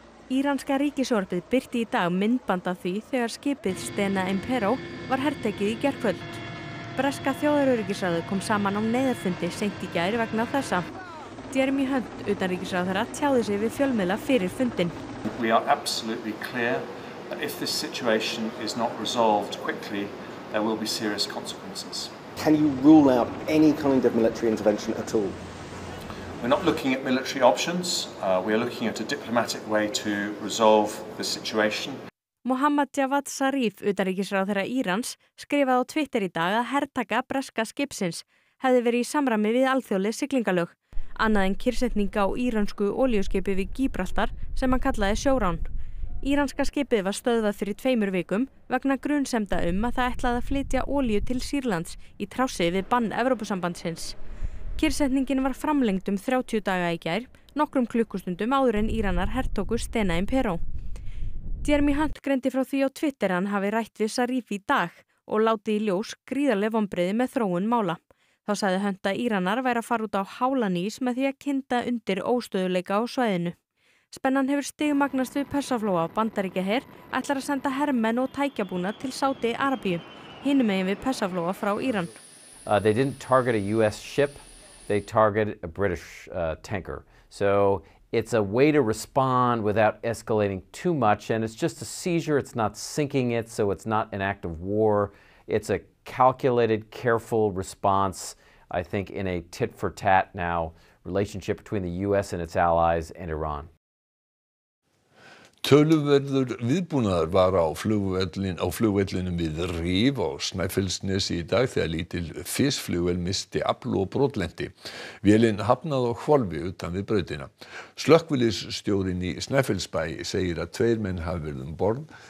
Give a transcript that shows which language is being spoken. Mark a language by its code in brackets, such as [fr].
[is] Íranska ríkisjónvarpið birti í dag myndband af því þegar skipið Stena Impero var hertekið í gærkvöld. Breska þjóðaröryggisráðið kom saman á neyðarfundi seint í gær vegna þessa. Jeremy Hunt, utanríkisráðherra, tjáði sig við fjölmiðla fyrir fundin. [en] We are absolutely clear that if this situation is not resolved quickly, there will be serious consequences. Can you rule out any kind of military intervention at all? We're not looking at military options. We are looking at a diplomatic way to resolve the situation. [is] Mohammad Javad Zarif, utanríkisráðherra Írans, skrifaði á Twitter í dag að hertaka breska skipsins hefði verið í samræmi við alþjóðleg siglingalög. Annað en kyrrsetning á íransku olíuskipi við Gíbraltar sem hann kallaði sjórán. Íranska skipið var stöðvað fyrir tveimur vikum vegna grunsemda að það ætlaði að flytja olíu til Sýrlands í trássi við bann Evrópusambandsins. Kyrrsetningin var framlengd 30 daga í gær, nokkrum klukkustundum áður en Íranar hertóku Stena Impero. Jeremy Hunt greindi frá því á Twitter hann hafi rætt við Sharif í dag og látið í ljós gríðarleg vonbrigði með þróun mála. Þá sagði Hunt að Íranar væri að fara út á hálan ís með því að kynda undir óstöðuleika á svæðinu. Spennan hefur stigmagnast við Persaflóa og Bandaríkjaher ætlar að senda hermenn og tækjabúna til Sádi Arabíu, hinum megin við Persaflóa frá Íran. [en] They didn't target a US ship, they targeted a British tanker. So it's a way to respond without escalating too much and it's just a seizure, it's not sinking it, so it's not an act of war. It's a calculated, careful response, I think, in a tit-for-tat now relationship between the US and its allies and Iran. [is] Töluverður viðbúnaður var á flugvellinum við Rif á Snæfellsnesi í dag þegar lítil fisflugvel misti afl og brotlenti. Vélin hafnaði á hvolfi utan við brautina. Slökkviliðsstjórinn í Snæfellsbæ segir að tveir menn hafi verið um borð.